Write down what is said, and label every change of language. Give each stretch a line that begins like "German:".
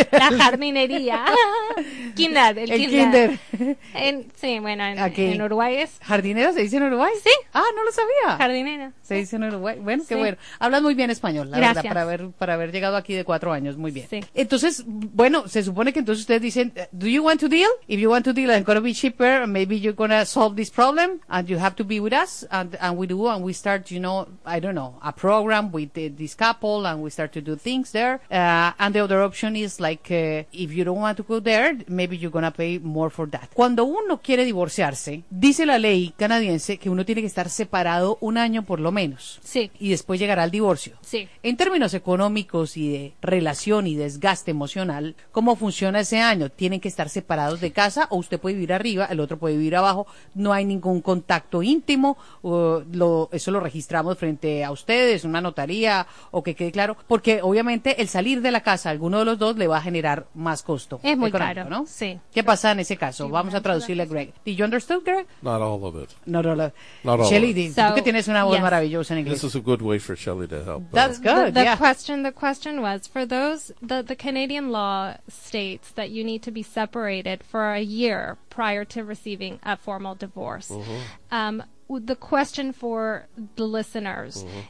Spanish: La jardinería. Kinder, el kinder. En Uruguay es... ¿Jardinera se dice en Uruguay? Sí. Ah, no lo sabía. Jardinera. Se dice en Uruguay. Bueno, qué bueno. Hablas muy bien español, la Gracias. Verdad, para haber llegado aquí de 4 años, muy bien. Sí. Entonces, bueno, se supone que entonces ustedes dicen,
English: do you want to deal? If you want to deal, I'm going to be cheaper, maybe you're going to solve this problem, and you have to be with us, and we do, and we start, you know, I don't know, a program with this couple, and we start to do things there. And the other option is like, if you don't want to go there, maybe you're going to pay more for that.
Spanish: Cuando uno quiere divorciarse, dice la ley canadiense que uno tiene que estar separado un año por lo menos. Sí. Y después llegará al divorcio. Sí. En términos económicos y de relación y desgaste emocional, ¿cómo funciona ese año? ¿Tienen que estar separados de casa o usted puede vivir arriba, el otro puede vivir abajo? ¿No hay ningún contacto íntimo? Eso lo registramos frente a ustedes, una notaría, o que quede claro, porque obviamente el salir de la casa, alguno de los dos, le va a generar más costo. Es muy caro, ¿no? Sí. ¿Qué pasa en ese caso? Vamos a traducirle a Greg.
English: Did you understand, Greg? Not all of it. Not all of it.
Spanish: Shelley, tú que tienes una voz maravillosa en inglés.
English: This is a good way for Shelley to help. That's good, The question was, for those, the Canadian law states that you need to be separated for a year prior to receiving a formal divorce. Mm-hmm. The question for the listeners mm-hmm.